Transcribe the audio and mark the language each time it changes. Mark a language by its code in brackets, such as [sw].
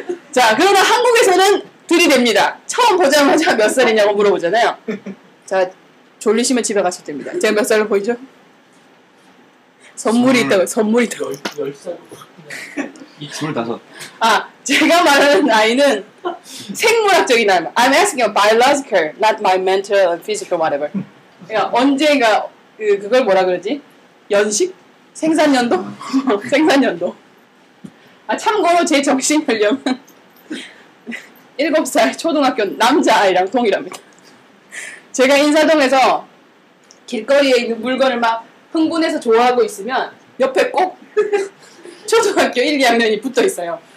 [ko] 자, 그러면 한국에서는 들이댑니다. 처음 보자마자 몇 살이냐고 물어보잖아요. 자, 졸리시면 집에 가셔도 됩니다. 제가 몇 살을 보이죠? 선물이 있다고, 선물이 있다고. 10살. 25. 아, 제가 말하는 나이는 생물학적인 나이. [en] I'm asking a biological, not my mental and physical whatever. [ko] 그러니까 언제가 그걸 뭐라 그러지? 연식? 생산년도? 생산년도. 아, 참고로 제 정신 연령은 7살 초등학교 남자아이랑 동일합니다. 제가 인사동에서 길거리에 있는 물건을 막 흥분해서 좋아하고 있으면 옆에 꼭 초등학교 1, 2학년이 붙어 있어요.